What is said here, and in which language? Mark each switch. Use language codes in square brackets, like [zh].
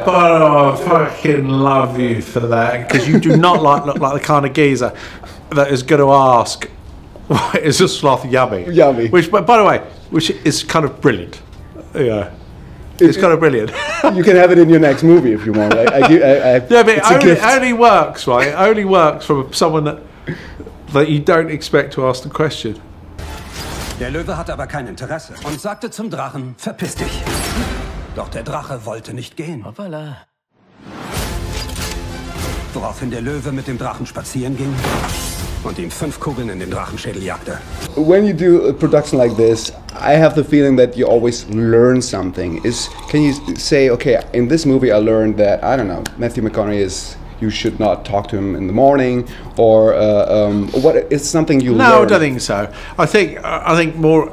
[en] By the way, I fucking love you for that. Because you do not look like the kind of geezer that is going to ask, is a sloth yummy? Yummy. Which, by the way, is kind of brilliant. Yeah. It's kind of brilliant. You can have it in your next movie if you want. It only works from someone that you don't expect to ask the question. [de] Der Löwe hatte aber kein Interesse und sagte zum Drachen, verpiss dich. Doch der Drache wollte nicht gehen. Hoppala. Woraufhin der Löwe mit dem Drachen spazieren ging und ihm 5 Kugeln in den Drachenschädel jagte. [en] When you do a production like this, I have the feeling that you always learn something. Can you say, okay, in this movie I learned that, I don't know, Matthew McConaughey is... You should not talk to him in the morning, or what? It's something you learn. No, I don't think so. I think more.